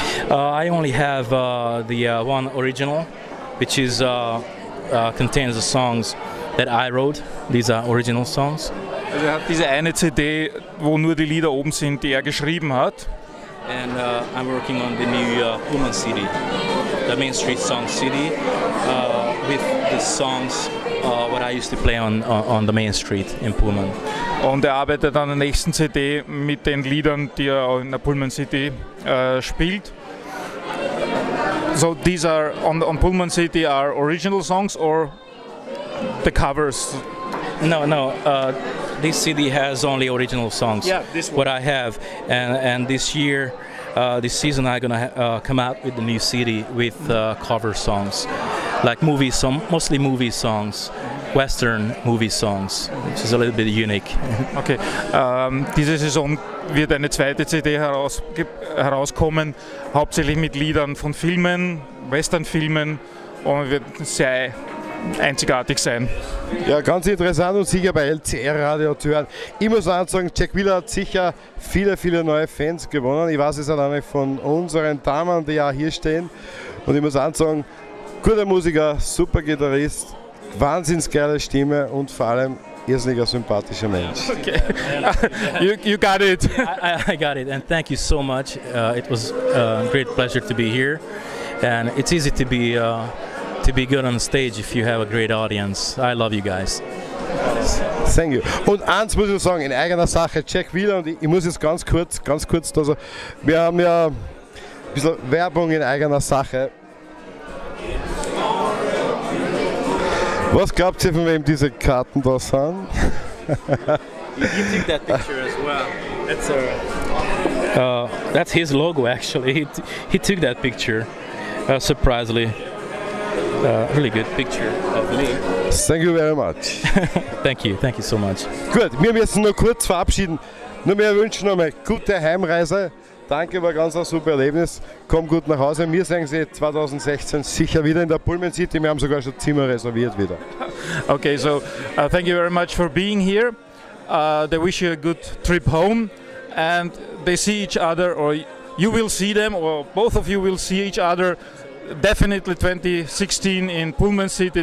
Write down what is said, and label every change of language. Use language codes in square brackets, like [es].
[en] I only have the one original, which is contains the songs that I wrote. These are original songs. [de] Also er hat diese eine CD, wo nur die Lieder oben sind, die er geschrieben hat. [en] And I'm working on the new Human CD, the Main Street Song CD, with the songs what I used to play on the Main Street in Pullman. [de] Und er arbeitet an der nächsten CD mit den Liedern, die er in der Pullman City spielt. [en] So these are on Pullman City are original songs or the covers? No. This CD has only original songs. Yeah, this one. What I have, and this year, this season, I'm gonna come out with the new CD with cover songs, like movie songs, mostly movie songs. Western Movie Songs, which is a little bit unique. [de] Okay, diese Saison wird eine zweite CD herauskommen, hauptsächlich mit Liedern von Filmen, Western-Filmen, und wird sehr einzigartig sein. Ja, ganz interessant und sicher bei LCR Radio zu hören. Ich muss sagen, Jack Wheeler hat sicher viele, viele neue Fans gewonnen. Ich weiß es alleine von unseren Damen, die auch hier stehen. Und ich muss sagen, guter Musiker, super Gitarrist, wahnsinnig geile Stimme und vor allem irrsinniger sympathischer Mensch. [en] Okay. you got it. I got it. And thank you so much. It was a great pleasure to be here. And it's easy to be good on stage if you have a great audience. I love you guys. Thank you. [de] Und eins muss ich sagen, in eigener Sache, Jack Wheeler, und ich muss jetzt ganz kurz, also wir haben ja ein bisschen Werbung in eigener Sache. Was glaubt ihr, von wem diese Karten da sind? [en] You took that picture as well. That's that's his logo actually. He took that picture, surprisingly. Really good picture of me. Thank you very much. thank you so much. [de] Gut, wir müssen nur kurz verabschieden. Nur mehr wünschen noch mal gute Heimreise. Danke, war ganz ein super Erlebnis. Komm gut nach Hause. Wir sehen Sie 2016 sicher wieder in der Pullman City. Wir haben sogar schon Zimmer reserviert wieder. [en] Okay, so thank you very much for being here. They wish you a good trip home. And they see each other, or you will see them, or both of you will see each other definitely 2016 in Pullman City.